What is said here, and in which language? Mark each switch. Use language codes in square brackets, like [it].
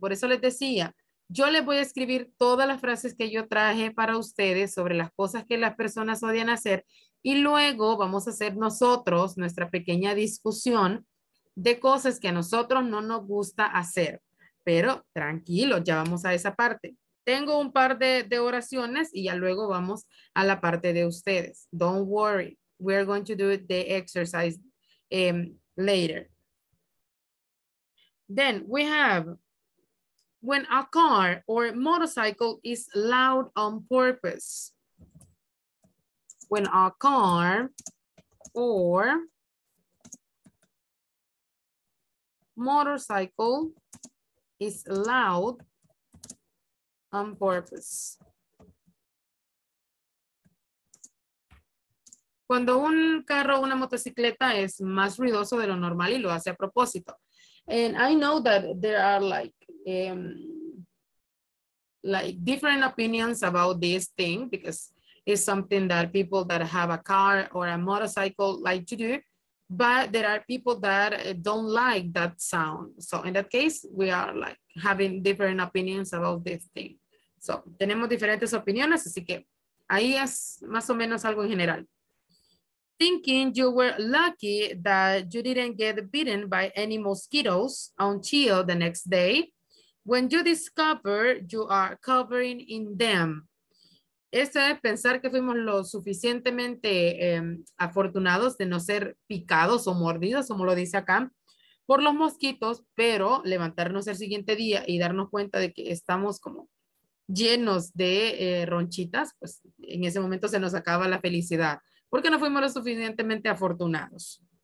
[es] Por eso les decía, yo les voy a escribir todas las frases que yo traje para ustedes sobre las cosas que las personas odian hacer. Y luego vamos a hacer nosotros nuestra pequeña discusión de cosas que a nosotros no nos gusta hacer. Pero tranquilo, ya vamos a esa parte. Tengo un par de oraciones y ya luego vamos a la parte de ustedes. [en] Don't worry, we're going to do the exercise later. Then we have, when a car or motorcycle is loud on purpose. When a car or motorcycle is loud on purpose. [es] Cuando un carro o una motocicleta es más ruidoso de lo normal y lo hace a propósito. [en] And I know that there are like different opinions about this thing, because is something that people that have a car or a motorcycle like to do, but there are people that don't like that sound. So in that case, we are like having different opinions about this thing. So [es] tenemos diferentes opiniones, así que Ahí es más o menos algo en general. [en] Thinking you were lucky that you didn't get bitten by any mosquitoes until the next day, when you discover you are covering in them. [es] Eso es pensar que fuimos lo suficientemente afortunados de no ser picados o mordidos, como lo dice acá, por los mosquitos, pero levantarnos el siguiente día y darnos cuenta de que estamos como llenos de ronchitas, pues en ese momento se nos acaba la felicidad, porque no fuimos lo suficientemente afortunados.